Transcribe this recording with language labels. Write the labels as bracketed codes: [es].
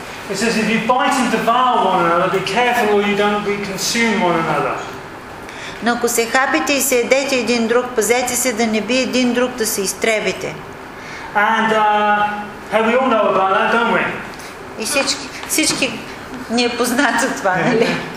[en] It says, if you bite and devour one another, be careful or you don't be consumed one another. [bg] Но ако се хапите и се едете един друг, пазете се да не би един друг да се изтребите. [en] And we all know about that, don't we? [bg] И всички ни е познато това, нали?